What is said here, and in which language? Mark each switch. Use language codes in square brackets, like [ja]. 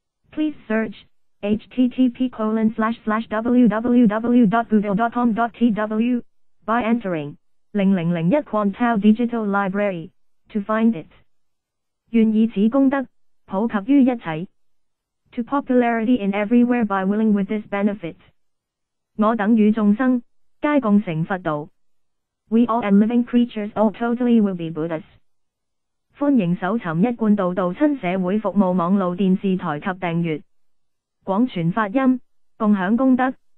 [en] Please search http://www.google.com.tw by entering 000一贯道 Digital Library to find it. [zh] 愿以此功德普及于一切。 [en] To popularity in everywhere by willing with this benefit. [zh] 我等与众生皆共成佛道。 [en] We all and living creatures all totally will be Buddhas. [zh] 欢迎搜寻一贯道道亲社会服务网路电视台及订阅。广传法音，共享功德。